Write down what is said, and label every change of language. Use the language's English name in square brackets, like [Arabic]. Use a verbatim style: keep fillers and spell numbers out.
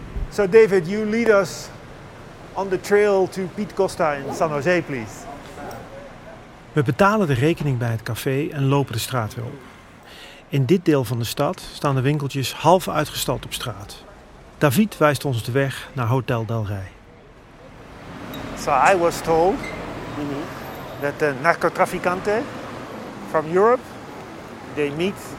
[English] So David, you lead us on the trail to Piet Costa in San Jose, please. [Dutch] We betalen de rekening bij het café en lopen de straat weer op. In dit deel van de stad staan de winkeltjes half uitgestald op straat. David wijst ons de weg naar Hotel Del Rey. [English] So I was told that the narcotraficante from Europe, they meet